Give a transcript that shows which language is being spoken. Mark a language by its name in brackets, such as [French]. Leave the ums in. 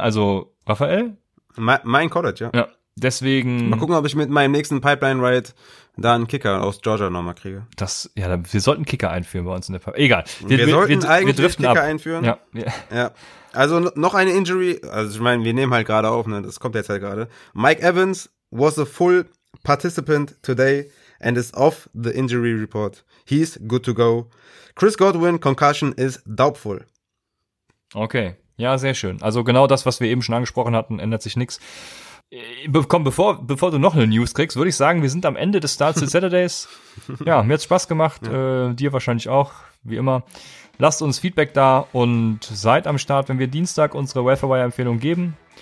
[German] Also Raphael? Mein College, ja. ja. Deswegen. Mal gucken, ob ich mit meinem nächsten Pipeline Ride da einen Kicker aus Georgia nochmal kriege. Das, ja, wir sollten Kicker einführen bei uns in der Pipeline. Egal. Wir, wir, wir, sollten wir, wir, eigentlich wir driften Kicker ab. einführen. Ja. Ja. ja. Also noch eine Injury. Also ich meine, wir nehmen halt gerade auf, ne? Das kommt jetzt halt gerade. [English] Mike Evans was a full participant today and is off the injury report. He's good to go. Chris Godwin concussion is doubtful. [German] Okay, ja, sehr schön. Also genau das, was wir eben schon angesprochen hatten, ändert sich nichts. komm, bevor, bevor du noch eine News kriegst, würde ich sagen, wir sind am Ende des Starts Saturdays. Ja, mir hat Spaß gemacht, ja. äh, dir wahrscheinlich auch, wie immer. Lasst uns Feedback da und seid am Start, wenn wir Dienstag unsere welfare empfehlung geben.